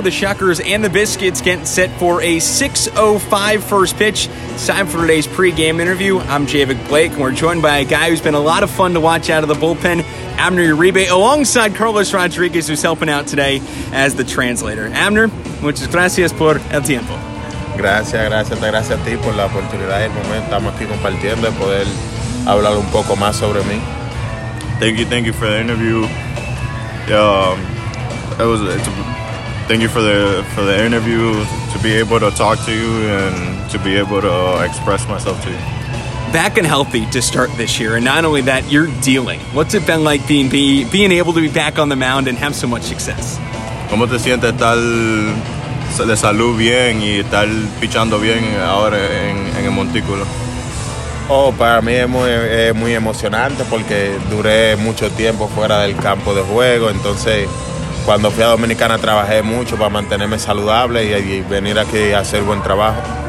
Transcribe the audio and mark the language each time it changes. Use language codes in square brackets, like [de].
[en] The Shuckers and the Biscuits getting set for a 6:05 first pitch. It's time for today's pregame interview. I'm Javik Blake, and we're joined by a guy who's been a lot of fun to watch out of the bullpen, Abner Uribe, alongside Carlos Rodriguez, who's helping out today as the translator. [es] Abner, muchas gracias por el tiempo. Gracias a ti por la oportunidad y el momento. Estamos aquí compartiendo y poder hablar un poco más sobre mí. [en] Thank you for the interview. Thank you for the interview, to be able to talk to you and to be able to express myself to you. Back and healthy to start this year, and not only that, you're dealing. What's it been like being able to be back on the mound and have so much success? [es] ¿Cómo te sientes tal de salud bien y tal pichando bien ahora en el montículo? Oh, para mí es muy emocionante porque duré mucho tiempo fuera del campo de juego. Entonces, cuando fui a Dominicana trabajé mucho para mantenerme saludable y venir aquí a hacer buen trabajo.